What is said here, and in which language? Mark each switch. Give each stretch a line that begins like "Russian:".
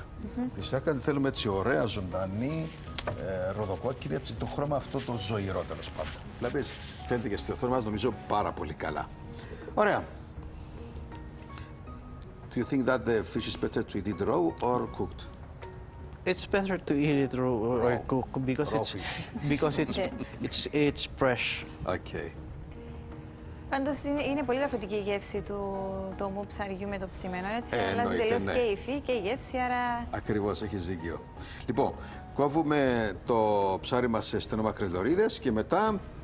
Greek: Mm-hmm. Τη σάρκα τη θέλουμε έτσι ωραία, ζωντανή, ροδοκόκκινη, έτσι το χρώμα αυτό το ζωηρό, τέλος πάντων. Βλέπεις, φαίνεται και στη οθόνη μας, νομίζω, πάρα πολύ καλά. Ωραία.
English: Do you think that the fish is better to eat it raw or cooked? It's better to eat it raw or cooked, because it's fresh. Okay.
Greek: Πάντως είναι πολύ διαφορετική η γεύση του τόμου ψαριού με το ψημένο, έτσι. Αλλάζει τελείως και η υφή και η γεύση, άρα... Ακριβώς, έχεις δίκιο. Λοιπόν, κόβουμε το ψάρι μας σε στενομακρυδωρίδες και μετά...